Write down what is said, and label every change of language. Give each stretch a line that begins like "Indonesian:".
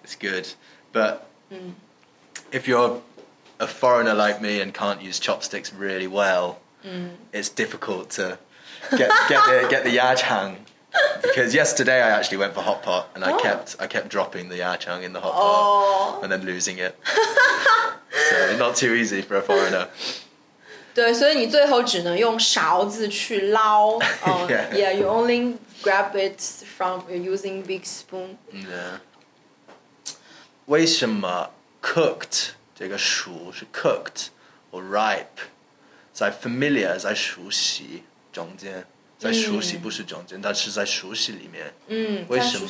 English: It's good But if you're a foreigner like me and can't use chopsticks really well it's difficult to get the 鸭肠 Because yesterday I actually went for hot pot and I kept dropping the 鸭肠 in the hot pot and then losing it So not too easy for a foreigner
Chinese: 对所以你最后只能用勺子去捞
English: Yeah, you only grab it from using big spoon
Chinese: Yeah为什么 cooked 这个熟是
English: cooked or ripe
Chinese: 在 familiar 在熟悉中间在熟悉不是中间但是在熟悉里面为什么